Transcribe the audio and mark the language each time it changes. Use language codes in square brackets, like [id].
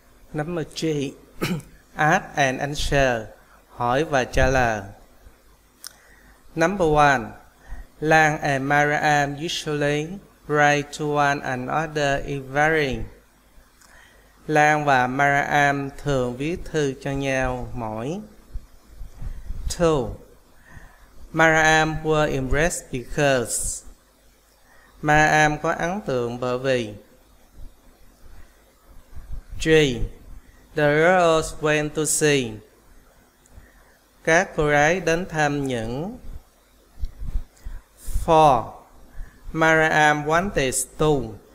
[en] Number 3. Ask and answer. [vi] Hỏi và trả lời. [en] Number 1. Lan and Mariam usually write to one another every day. [vi] Lan và Mariam thường viết thư cho nhau mỗi. [en] 2. Mariam was impressed because. [vi] Mariam có ấn tượng bởi vì. [en] 3. The girls went to see. [vi] Các cô gái đến thăm những. [en] 4. Mariam wanted to.